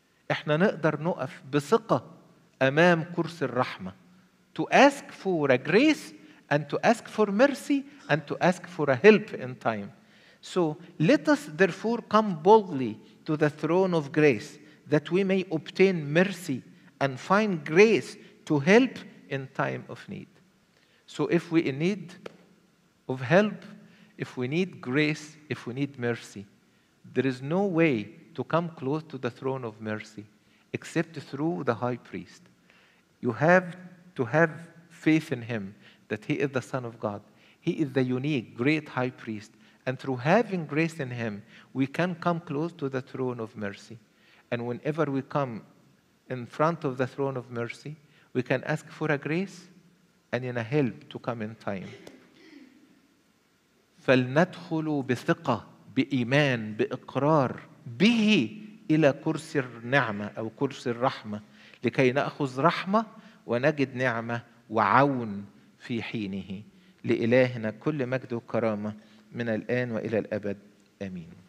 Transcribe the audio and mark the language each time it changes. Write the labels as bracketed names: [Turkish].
[Arabic] احنا نقدر نقف بثقة أمام كرسي الرحمة. [English] To ask for a grace and to ask for mercy and to ask for a help in time. So let us therefore come boldly to the throne of grace that we may obtain mercy and find grace to help in time of need. So if we in need of help, if we need grace, if we need mercy, there is no way to come close to the throne of mercy except through the high priest. You have to have faith in him that he is the Son of God. He is the unique, great high priest. And through having grace in him, we can come close to the throne of mercy. And whenever we come in front of the throne of mercy, we can ask for a grace and in a help to come in time. [Arabic] فلندخل بثقة بإيمان بإقرار به إلى كرسي النعمة أو كرسي الرحمة لكي نأخذ رحمة ونجد نعمة وعون في حينه. لإلهنا كل مجد وكرامة من الآن وإلى الأبد. آمين.